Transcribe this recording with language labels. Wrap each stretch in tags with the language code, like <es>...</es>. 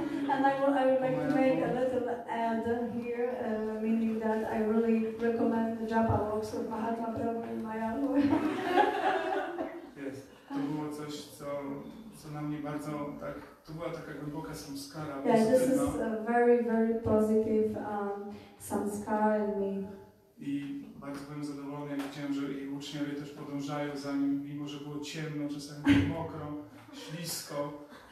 <en>And I would like to make a little add here, meaning that I really recommend the japa walks of Mahatma Prabhu in Mayapur.</en> <pl>Yes, to było coś, co na mnie bardzo tak, to była taka głęboka samskara.</pl> <en>Yeah, this is a very, very positive samskara in me.</en> <pl>I bardzo byłem zadowolony, jak widziałem, że jej uczniowie też podążają za nim, mimo że było ciemno, czasami było mokro, ślisko.</pl>